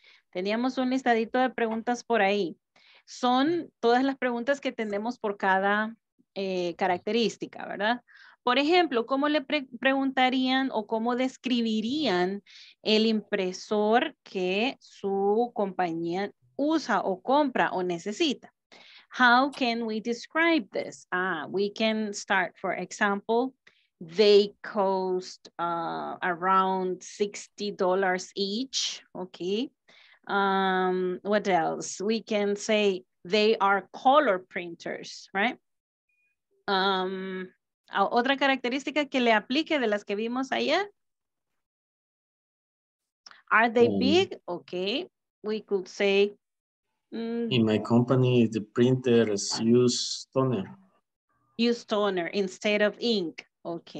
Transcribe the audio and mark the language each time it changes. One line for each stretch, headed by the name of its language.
Spanish: Teníamos un listadito de preguntas por ahí. Son todas las preguntas que tenemos por cada característica, ¿verdad? Por ejemplo, ¿cómo le preguntarían o cómo describirían el impresor que su compañía usa o compra o necesita?
English: How can we describe this? We can start, for example, they cost around $60 each, okay? What else? We can say they are color printers, right?
Spanish: Otra característica que le aplique de las que vimos ayer?
English: Are they big? Okay, we could say, in my company, the printers use toner. Use toner instead of ink. Okay.